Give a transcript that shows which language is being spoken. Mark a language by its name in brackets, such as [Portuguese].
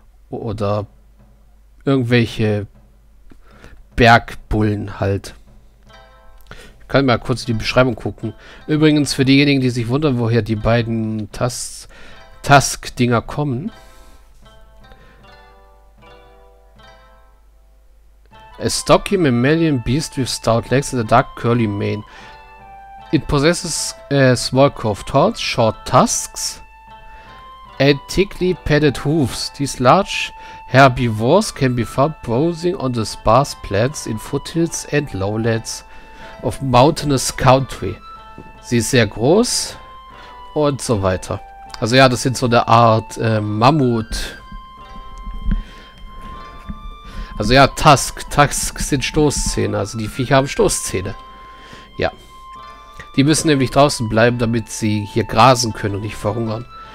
[German] Oder irgendwelche Bergbullen halt. Ich kann mal kurz in die Beschreibung gucken. Übrigens, für diejenigen, die sich wundern, woher die beiden Task-Dinger kommen. [English] A stocky mammalian beast with stout legs and a dark curly mane. It possesses a small curved horns, short tusks and thickly padded hoofs. These large herbivores can be found browsing on the sparse plains in foothills and lowlands of mountainous country. [German] Sie ist sehr groß und so weiter. Also ja, das sind so eine Art Mammut. Also ja, Tusks sind Stoßzähne, also die Viecher haben Stoßzähne. Ja. Die müssen nämlich draußen bleiben, damit sie hier grasen können und nicht verhungern.